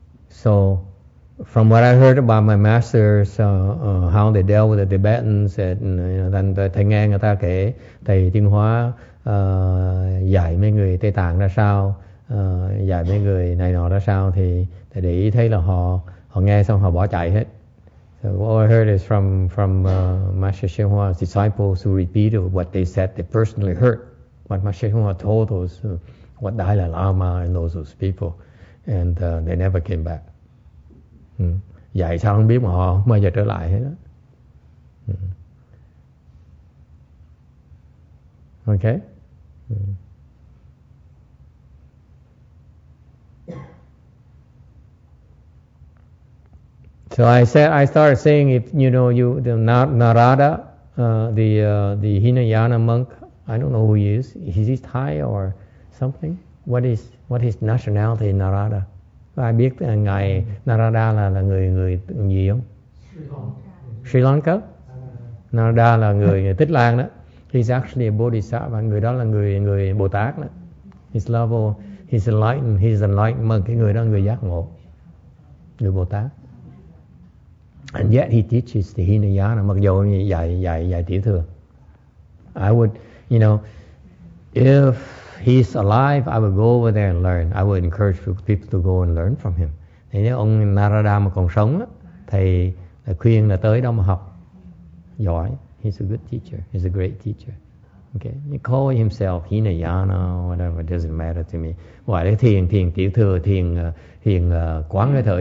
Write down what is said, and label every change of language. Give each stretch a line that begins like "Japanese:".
English: So, from what I heard about my masters, how they dealt with the Tibetans, and
Vietnamese: thầy nghe người ta kể, thầy Thiên Hóa dạy mấy người Tây Tạng ra sao, dạy mấy người này nọ ra sao, thì thầy để ý thấy là họ nghe xong họ bỏ chạy hết.
English: So what I heard is from Master Xuyên Hoa's disciples who repeated what they said they personally heard, what Master Xuyên Hoa told those, what Dalai Lama and those people, and they never came back.
Vietnamese: Dạy sao không biết mà họ không bao giờ trở lại hết đó.
English: Okay. So I started saying if you know you the Narada, the Hinayana monk, I don't know who he is. Is he Thai or something? What is nationality in Narada?
Vietnamese: Có ai biết ngài Narada là người gì không? Sri Lanka. Narada là người Tích Lan đó.
English: He's actually a Bodhisattva,
Vietnamese: người đó là người Bồ Tát đó.
English: His level, he's enlightened,
Vietnamese: người đó là người giác ngộ, người Bồ Tát.
English: And yet he teaches the Hinayana,
Vietnamese: mặc dù dạy tiểu thừa.
English: I would, you know, if he's alive, I would go over there and learn. I would encourage people to go and learn from him.
Vietnamese: Thì nếu ông Narada mà còn sống, thầy là khuyên là tới đó mà học. Giỏi.
English: He's a good teacher. He's a great teacher. Okay. He call himself Hinayana, whatever. It doesn't matter to me.
Vietnamese: Gọi là thiền tiểu thừa, thiền quán hơi thở.